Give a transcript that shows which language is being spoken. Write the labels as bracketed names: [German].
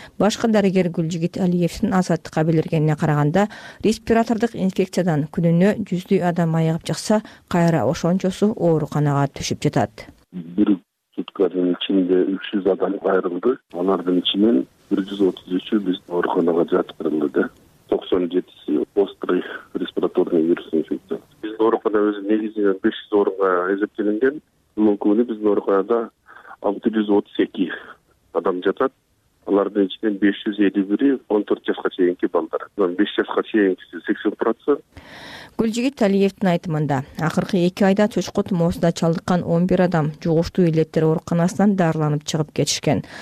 [Kyrgyz] Башка дарыгер Гүлжигит Алиевдин азаттыкка билдиргенине караганда, респиратордук инфекциядан күнүнө 100 адам айыгып чыкса, кайра ошончосу ооруканага түшүп жатат. Суткадын ичинде 300 адам айрылды. Алардын ичинен 133 биз ооруканага жаткырылды да. [Russian] 97 острый респираторный вирус инфекция. [Kyrgyz] Биз оорукана өзү негизинен 500 орунга эсептелинген. Мүмкүн эле биз ооруканада 638 адам жатат. Алардын ичинен 551 14 жашка чейинки балдар. 5 жашка чейинкиси 80%. Гүлжигит Алиевдин айтымында, акыркы 2 айда чочко тумоосуна чалдыккан 11 адам жугуштуу элдеттер ооруканасынан дарыланып чыгып кетишкен.